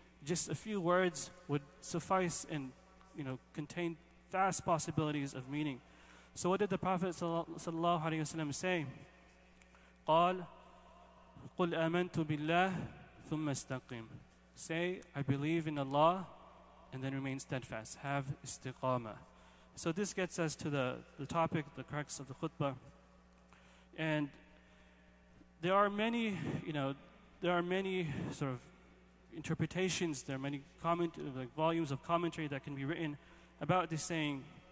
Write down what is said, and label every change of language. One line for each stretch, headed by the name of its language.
English: Just a few words would suffice and, you know, contain vast possibilities of meaning. So what did the Prophet ﷺ say?
Arabic: قال قل آمنت بالله ثم استقيم.
English: Say, I believe in Allah, and then remain steadfast. Have istiqamah. So this gets us to the topic, the crux of the khutbah. And there are many, you know, There are many sort of interpretations, there are many volumes of commentary that can be written about this saying.